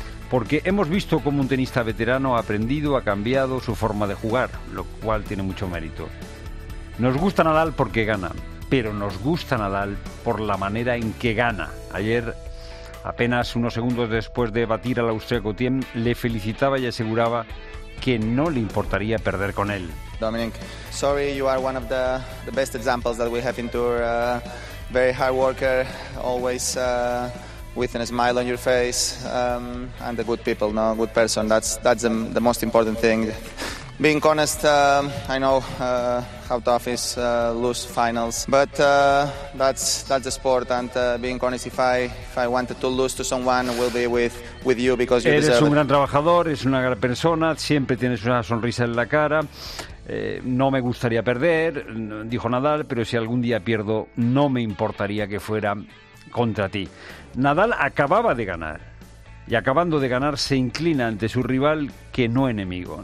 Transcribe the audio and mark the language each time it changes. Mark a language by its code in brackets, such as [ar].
[es] Porque hemos visto cómo un tenista veterano ha aprendido, ha cambiado su forma de jugar, lo cual tiene mucho mérito. Nos gusta Nadal porque gana, pero nos gusta Nadal por la manera en que gana. Ayer, apenas unos segundos después de batir al austríaco Thiem, le felicitaba y aseguraba que no le importaría perder con él. [en] Dominic, sorry, you are one of the best examples that we have in tour. Very hard worker, always with a smile on your face, and a good people, no, good person. That's the most important thing. Being honest, I know how tough is lose finals, but that's the sport. And being honest, if I wanted to lose to someone, will be with you because you deserve it. [es] Eres un gran trabajador, es una gran persona. Siempre tienes una sonrisa en la cara. No me gustaría perder, dijo Nadal, pero si algún día pierdo, no me importaría que fuera contra ti. Nadal acababa de ganar, y acabando de ganar se inclina ante su rival, que no enemigo.